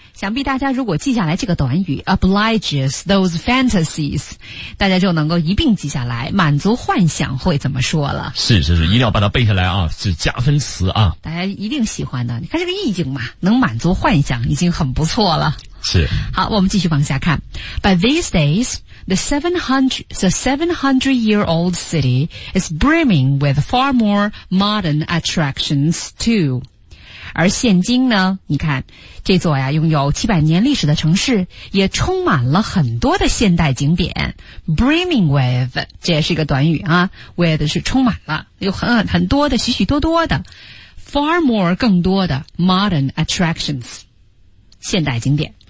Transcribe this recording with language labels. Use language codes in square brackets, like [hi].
[zh] 想必大家如果记下来这个短语 [en] obliges those fantasies, [zh] 大家就能够一并记下来满足幻想会怎么说了。是是是，一定要把它背下来啊，是加分词啊，大家一定喜欢的。你看这个意境嘛，能满足幻想已经很不错了。是。好，我们继续往下看。 [en] By these days, the 700-year-old city is brimming with far more modern attractions too. [zh] 而现今呢，你看这座呀拥有700年历史的城市也充满了很多的现代景点。 Brimming with 这也是一个短语啊， with 是充满了，有很多的，许许多多的， far more 更多的 [en] modern attractions [zh] 现代景点。